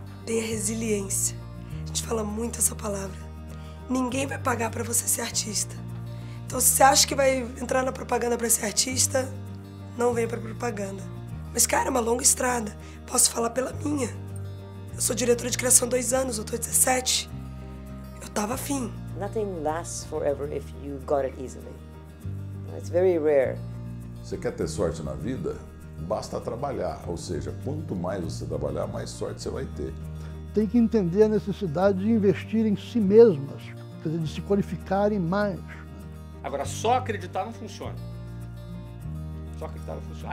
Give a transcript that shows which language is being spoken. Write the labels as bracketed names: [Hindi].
[Portuguese] Tenha resiliência. A gente fala muito essa palavra. Ninguém vai pagar para você ser artista. Então, se você acha que vai entrar na propaganda para ser artista, não venha para propaganda. Mas, cara, é uma longa estrada. Posso falar pela minha. Eu sou diretora de criação há 2 anos, eu tô 17. Eu tava afim. [English] Nothing lasts forever if you got it easily. It's very rare. [Portuguese] Você quer ter sorte na vida? Basta trabalhar, ou seja, quanto mais você trabalhar, mais sorte você vai ter. Tem que entender a necessidade de investir em si mesmas, quer dizer, de se qualificarem mais. Agora, só acreditar não funciona. Só acreditar não funciona.